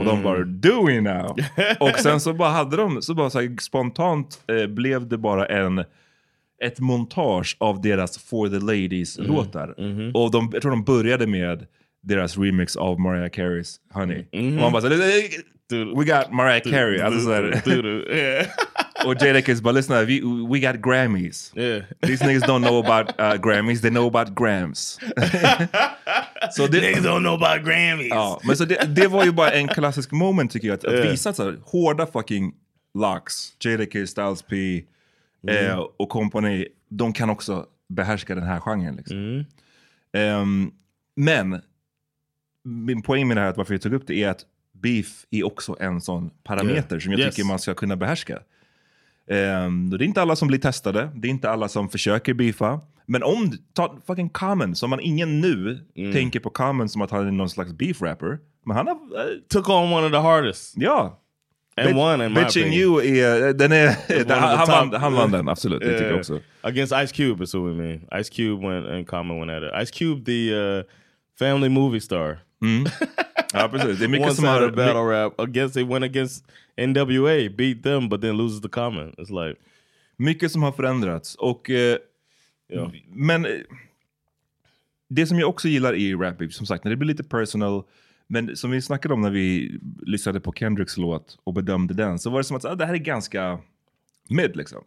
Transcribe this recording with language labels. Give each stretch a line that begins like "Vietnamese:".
Swedish: Och de bara,
English: do we now?
Swedish: Och sen så bara hade de, så bara så här, spontant blev det bara ett montage av deras For the Ladies låtar. Mm-hmm. Och jag tror de började med deras remix av Mariah Carey's Honey. Mm-hmm. Och man bara så här,
English: we got Mariah Carey.
Swedish: Alltså så här, och Jada Kiss bara,
English: listen, we got Grammys. Yeah. These niggas don't know about Grammys, they know about Grams. So niggas don't know about Grammys.
Swedish: Ja, men så det var ju bara en klassisk moment tycker jag. Att visa så hårda fucking Lox, Jada Kiss, Styles P och company, de kan också behärska den här genren. Liksom. Mm. Men min poäng med det här, att varför jag tog upp det, är att beef är också en sån parameter som jag tycker man ska kunna behärska. Det är inte alla som blir testade. Det är inte alla som försöker beefa. Men om, ta fucking Common. Så man ingen nu tänker på Common som att han är någon slags beef rapper. Men han har
English: took on one of the hardest.
Swedish: Ja.
English: And won in my opinion. You
Swedish: han vann den, absolut.
English: Yeah.
Swedish: Det tycker jag också.
English: Against Ice Cube is what we mean. Ice Cube went and Common went at it. Ice Cube, the family movie star.
Swedish: Mm. Ja, precis. Det är mycket som har
English: battle rap against, they went against NWA, beat them but then loses the comment. It's like
Swedish: mycket som har förändrats och men det som jag också gillar i rap, som sagt, när det blir lite personal, men som vi snackade om när vi lyssnade på Kendricks låt och bedömde den, så var det som att det här är ganska mid liksom.